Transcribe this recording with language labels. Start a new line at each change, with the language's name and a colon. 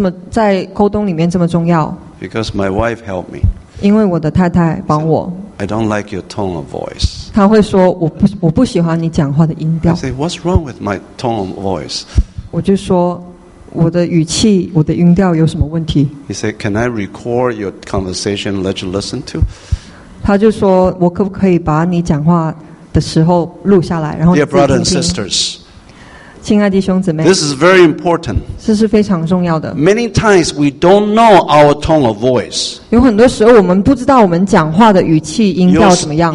Chinese: 你说牧师，你怎么知道讲话的音调是这么在沟通里面这么重要？
English: Because my wife helped me.
Chinese: 因为我的太太帮我。
English: I don't like your tone of voice.
Chinese: 他会说我不喜欢你讲话的音调。I
English: say, what's wrong with my tone of voice?
Chinese: 我就说我的语气、我的音调有什么问题？
English: He said, can I record your conversation and let you listen to?
Chinese: 他就说我可不可以把你讲话的时候录下来，然后自己听听。
English: Dear brothers and sisters,
Chinese: 亲爱的弟兄姊妹，
English: this is very important.
Chinese: 这是非常重要的。
English: Many times we don't know our tone of voice.
Chinese: 有很多时候我们不知道我们讲话的语气音调怎么样。